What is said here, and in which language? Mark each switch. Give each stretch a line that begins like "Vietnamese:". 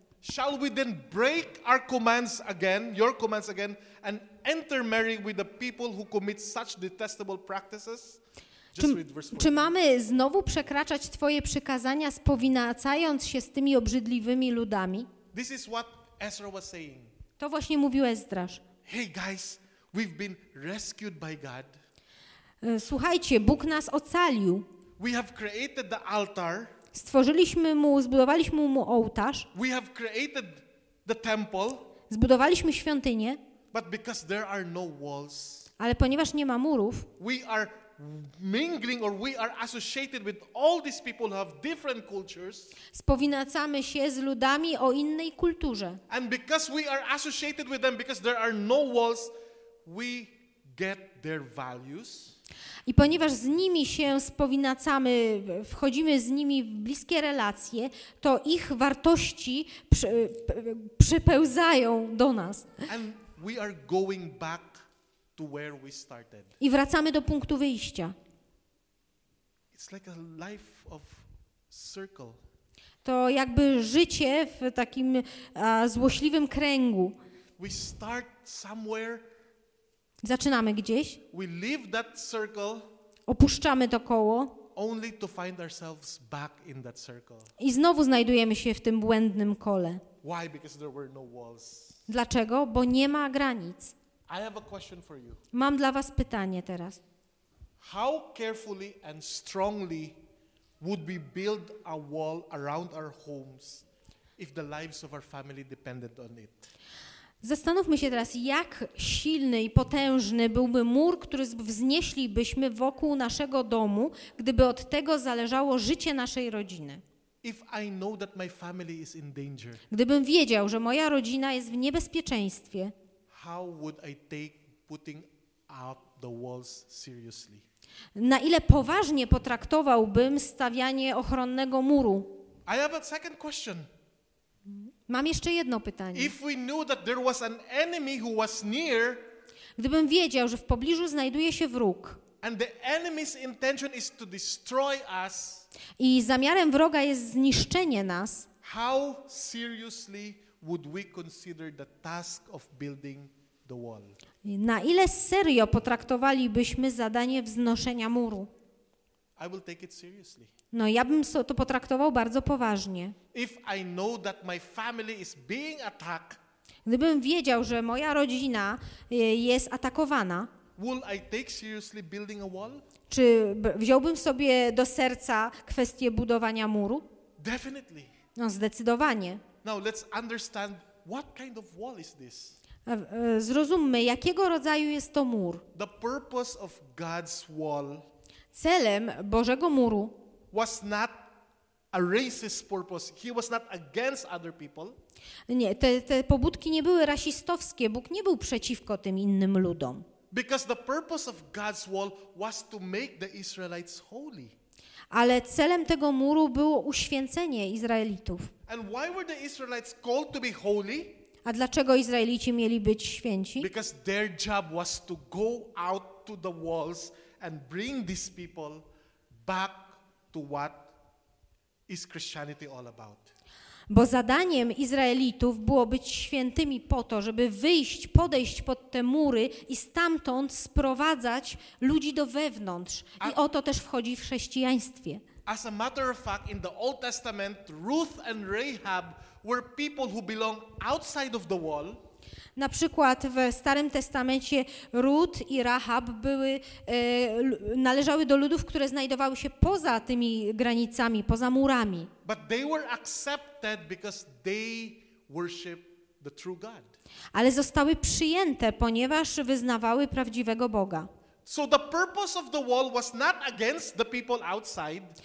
English: Shall we then break our commands again, your commands again, and intermarry with the people who commit such detestable practices?
Polish: Czy mamy znowu przekraczać Twoje przykazania, spowinacając się z tymi obrzydliwymi ludami?
English: This is what Ezra was saying.
Polish: To właśnie mówił Ezdrasz.
English: Hey guys, we've been rescued by God.
Polish: Słuchajcie, Bóg nas ocalił.
English: We have created the altar.
Polish: Stworzyliśmy mu, zbudowaliśmy mu ołtarz.
English: We have created the temple.
Polish: Zbudowaliśmy świątynię.
English: But because there are no walls.
Polish: Ale ponieważ nie ma murów.
English: We are mingling or we are associated with all these people who have different cultures.
Polish: Spowinacamy się z ludami o innej kulturze.
English: And because we are associated with them because there are no walls. We get their values.
Polish: I ponieważ z nimi się spowinacamy, wchodzimy z nimi w bliskie relacje, to ich wartości przepełzają do nas.
English: And we are going back to where we started.
Polish: I wracamy do punktu wyjścia.
English: It's like a life of circle.
Polish: To jakby życie w takim złośliwym kręgu.
English: We start somewhere.
Polish: Zaczynamy gdzieś.
English: We leave that circle,
Polish: opuszczamy to koło.
English: Only to find ourselves back in that circle.
Polish: I znowu znajdujemy się w tym błędnym kole.
English: Why? Because there were no walls.
Polish: Dlaczego? Bo nie ma granic.
English: I have a question for you.
Polish: Mam dla was pytanie teraz.
English: How carefully and strongly would we build a wall around our homes if the lives of our family depended on it?
Polish: Zastanówmy się teraz, jak silny i potężny byłby mur, który wznieślibyśmy wokół naszego domu, gdyby od tego zależało życie naszej rodziny.
English: If I know that my family is in danger,
Polish: gdybym wiedział, że moja rodzina jest w niebezpieczeństwie,
English: how would I take putting up the walls seriously?
Polish: Na ile poważnie potraktowałbym stawianie ochronnego muru?
English: I have a second question.
Polish: Mam jeszcze jedno pytanie.
English: If we knew that there was an enemy who was near,
Polish: gdybym wiedział, że w pobliżu znajduje się wróg,
English: and the enemy's intention is to destroy us,
Polish: i zamiarem wroga jest zniszczenie nas,
English: how seriously would we consider the task of building the wall?
Polish: Na ile serio potraktowalibyśmy zadanie wznoszenia muru?
English: I will take it seriously.
Polish: No, ja bym to potraktował bardzo poważnie.
English: If I know that my family is being attacked,
Polish: gdybym wiedział, że moja rodzina jest atakowana,
English: will I take seriously building a wall?
Polish: Czy wziąłbym sobie do serca kwestię budowania muru?
English: Definitely.
Polish: No, zdecydowanie.
English: Now let's understand what kind of wall is this.
Polish: Zrozummy, jakiego rodzaju jest to mur.
English: The purpose of God's wall.
Polish: Celem Bożego muru.
English: Was not a racist purpose. He was not against other people.
Polish: Nie, te pobudki nie były rasistowskie. Bóg nie był przeciwko tym innym ludom.
English: Because the purpose of God's wall was to make the Israelites holy.
Polish: Ale celem tego muru było uświęcenie Izraelitów.
English: And why were the Israelites called to be holy?
Polish: A dlaczego Izraelici mieli być święci?
English: Because their job was to go out to the walls and bring these people back. What is Christianity all about?
Polish: Bo zadaniem Izraelitów było być świętymi po to, żeby wyjść, podejść pod te mury i stamtąd sprowadzać ludzi do wewnątrz. I o to też wchodzi w chrześcijaństwie.
English: As a matter of fact, in the Old Testament, Ruth and Rahab were people who belong outside of the wall.
Polish: Na przykład w Starym Testamencie Rut i Rahab były należały do ludów, które znajdowały się poza tymi granicami, poza murami.
English: But they were accepted because they worshiped the true God.
Polish: Ale zostały przyjęte, ponieważ wyznawały prawdziwego Boga.
English: So the purpose of the wall was not against the people outside.